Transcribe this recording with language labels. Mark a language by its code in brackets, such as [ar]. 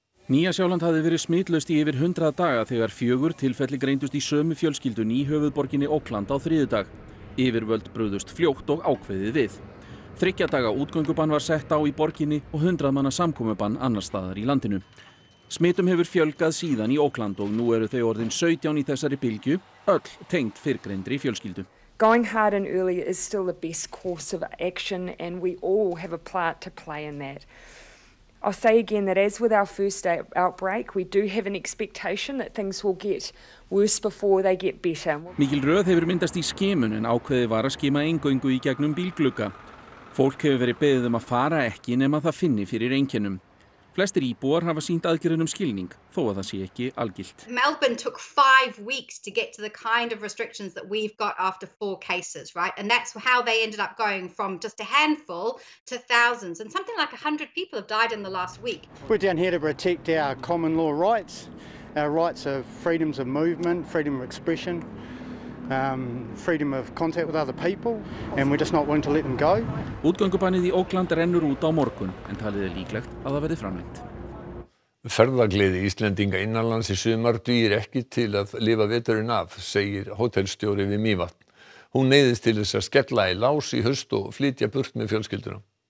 [is] Nýja Sjáland hafði verið smitlaust í yfir 100 daga þegar 4 tilfelli greindust í sömu fjölskyldun í höfuðborginni Auckland á þriðjudag. Yfirvöld brugðust fljótt og ákveðið við. 3 daga útgöngubann var sett á í borginni og 100 manna samkomubann annars staðar í landinu. Smitum hefur fjölgað síðan í Auckland og nú eru þau orðin 17 í þessari bylgju, öll tengt fyrrgreindri fjölskyldu. [en] Going hard and early is still the best course of action and we all have a part to play in that. I'll say again that as with our first outbreak, we do have an expectation that things will get worse before they get better. [is] Mikil röð hefur myndast í skimun en ákveðið var að skima eingöngu í gegnum bílglugga. Fólk hefur verið beðið að fara ekki nema það finni fyrir einkennum. Flestir íbúar hafa sýnt aðgerðunum skilning, þó að það sé ekki algilt. [en] Melbourne took 5 weeks to get to the kind of restrictions that we've got after 4 cases, right? And that's how they ended up going from just a handful to thousands. And something like 100 people have died in the last week. We're down here to protect our common law rights, our rights of freedoms of movement, freedom of expression, freedom of contact with other people, and we're just not willing to let them go. [is] Útgöngubannið í Auckland rennur út á morgun, en talið líklegt að það verði framlengt. Ferðagleði Íslendinga innanlands í sumar dýr ekki til að lifa veturinn af, segir hótelstjóri við Mývatn. Hún neyðist til þess að skella í lás í haust og flytja burt með fjölskylduna.